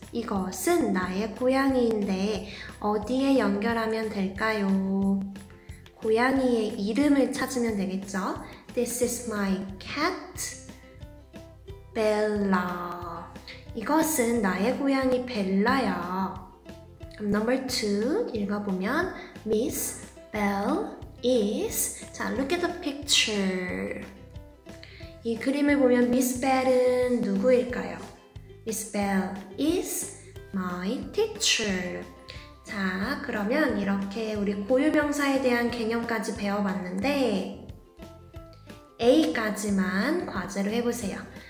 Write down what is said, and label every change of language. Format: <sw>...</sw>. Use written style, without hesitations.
<ko>이것은 나의 고양이인데 어디에 연결하면 될까요? 고양이의 이름을 찾으면 되겠죠?</ko> <en>This is my cat, Bella.</en> <ko>이것은 나의 고양이 벨라야.</ko> <en>Number two</en> <ko>읽어보면</ko> <en>Miss Bell is,</en> <ko>자,</ko> <en>look at the picture.</en> <ko>이 그림을 보면 Miss Bell은 누구일까요?</ko> <en>Miss Bell is my teacher.</en> <ko>자, 그러면 이렇게 우리 고유명사에 대한 개념까지 배워봤는데 A까지만 과제로 해보세요.</ko>